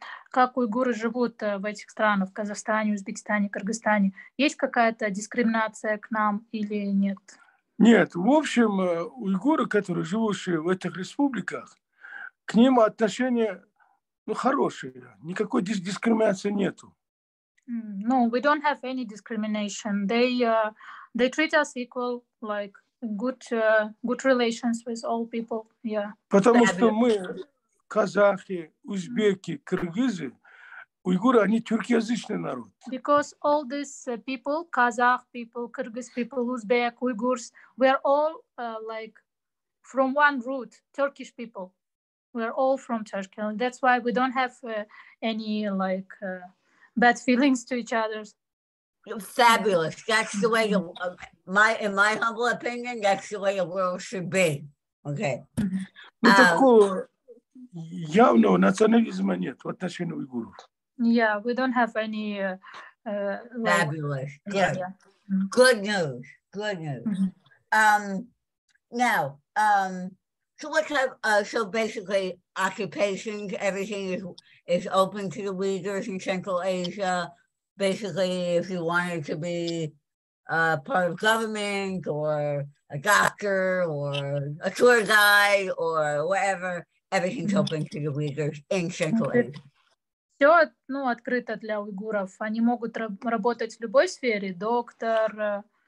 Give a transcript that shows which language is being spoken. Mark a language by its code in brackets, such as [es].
[ru] Как уйгуры живут в этих странах, в Казахстане, Узбекистане, Кыргызстане? Есть какая-то дискриминация к нам или нет? Нет, в общем, уйгуры, которые живущие в этих республиках, к ним отношение... Ну, хорошие. Никакой дискриминации нету. [en] No, we don't have any discrimination. They treat us equal, like good relations with all people. Yeah. [ru] Потому что мы казахи, узбеки, кыргызы, уйгуры, они тюркязычный народ. [en] Because all these people, Kazakh people, Kyrgyz people, Uzbek, Uyghurs, we are all like from one root, Turkish people. We are all from Turkey. And that's why we don't have any like bad feelings to each other. Fabulous. That's the way, in my humble opinion, that's the way the world should be. Okay. [ru] Ну, такого явного национализма нет в отношении уйгуров. [en] Yeah, we don't have any... Fabulous. Good. Yeah. Mm-hmm. Good news. Mm-hmm. So what type, so basically occupations, everything is open to the Uyghurs in Central Asia. Basically, if you wanted to be part of government or a doctor or a tour guide or whatever, everything's mm-hmm. open to the Uyghurs in Central okay. Asia. [ru] Все, ну, открыто для уйгуров. Они могут работать в любой сфере, доктор.